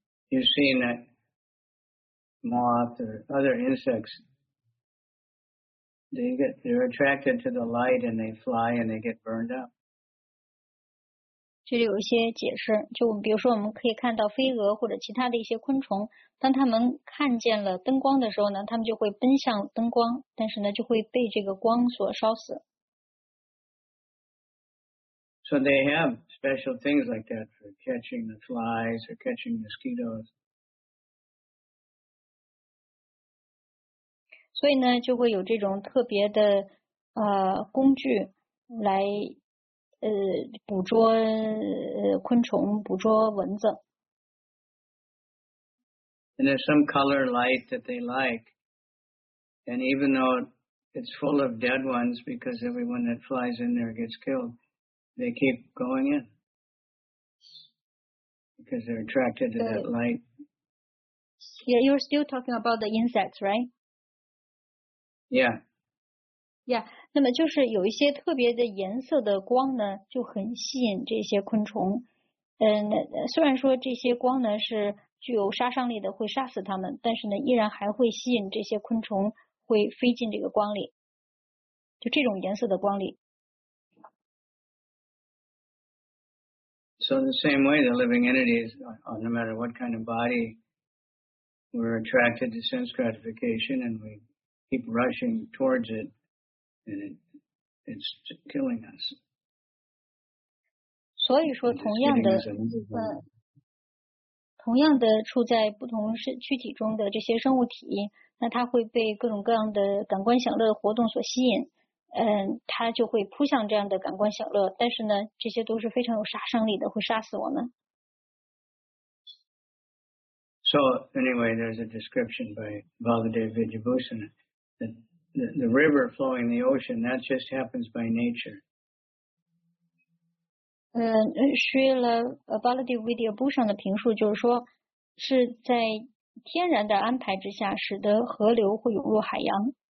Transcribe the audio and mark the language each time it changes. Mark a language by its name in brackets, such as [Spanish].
[English] You've seen that moth or other insects, they're attracted to the light and they fly and they get burned up. [Chinese] 这里有一些解释，就比如说我们可以看到飞蛾或者其他的一些昆虫，当他们看见了灯光的时候呢，他们就会奔向灯光，但是呢就会被这个光所烧死。 [English] So they have special things like that for catching the flies or catching mosquitoes. [Chinese] 所以呢就会有这种特别的工具来捕捉昆虫，捕捉蚊子。 [English] And there's some color light that they like. And even though it's full of dead ones, because everyone that flies in there gets killed, they keep going in. Because they're attracted to that light. Yeah, you're still talking about the insects, right? Yeah. [Chinese] Yeah, 那么就是有一些特别的颜色的光呢就很吸引这些昆虫。虽然说这些光呢是具有杀伤力的，会杀死它们，但是呢依然还会吸引这些昆虫会飞进这个光里。就这种颜色的光里。 [English] So the same way the living entities, no matter what kind of body, we're attracted to sense gratification and we keep rushing towards it. It's killing us. [Chinese] 所以说同样的同样的处在不同躯体中的这些生物体，那它会被各种各样的感官享乐活动所吸引，它就会扑向这样的感官享乐，但是呢这些都是非常有杀伤力的，会杀死我们。 [English] So anyway, there's a description by Baladeva Vijayabhushana that the river flowing the ocean, that just happens by nature. [Chinese] Srila Baladeva Vijayabhushana的评述就是说是在天然的安排之下使得河流会涌入海洋。